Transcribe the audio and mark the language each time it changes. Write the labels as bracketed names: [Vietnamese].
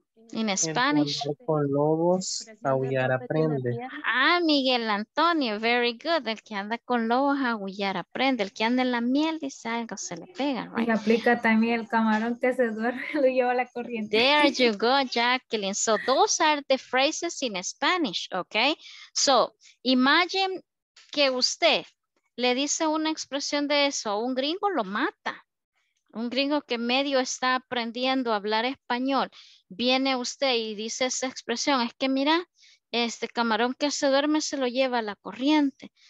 [Spanish] En Spanish. El con lobos, aullar aprende. Ah, Miguel Antonio, [English] very good. [Spanish] El que anda con lobos, aullar aprende. El que anda en la miel, dice algo, se le pega, right? Y aplica también el camarón que se duerme, lo lleva a la corriente. [English] There you go, Jacqueline. So those are the phrases in Spanish, okay? So imagine [Spanish] que usted le dice una expresión de eso a un gringo, lo mata. Un gringo que medio está aprendiendo a hablar español, viene usted y dice esa expresión, es que mira, este camarón que se duerme se lo lleva a la corriente.